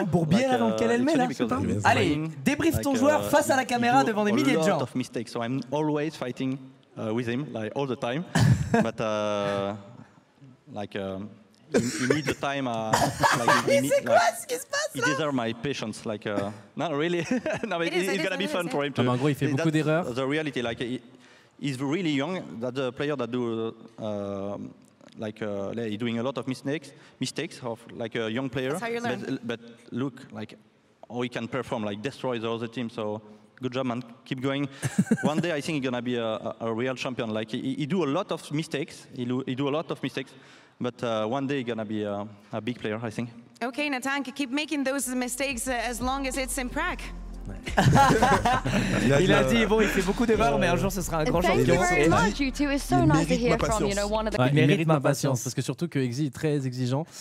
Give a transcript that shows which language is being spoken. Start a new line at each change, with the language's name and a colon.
French: C'est quoi, bourbière, dans lequel elle met, là, c'est pas... Allez, débrief ton joueur face à la caméra devant des milliers de gens.
English: A lot of mistakes, so I'm always fighting with him, like, all the time. But, you need the time...
French: Qu'est-ce qui se passe, là?
English: He deserves my patience, not really. No, but it's gonna be fun for him, too.
French: En gros, il fait beaucoup d'erreurs.
English: The reality, he's really young, that the player that do... he's doing a lot of mistakes of like a young player. That's how you learn. But look, he can perform, destroy the other team. So good job, man. Keep going. One day I think he's gonna be a real champion. Like he do a lot of mistakes. He do a lot of mistakes, but one day he's gonna be a big player, I think. Okay, Natank, keep making those mistakes as long as it's in Prague.
French: Il a dit, il fait beaucoup d'erreurs, mais un jour ce sera un grand champion. Il mérite ma patience, parce que surtout que Exy est très exigeant.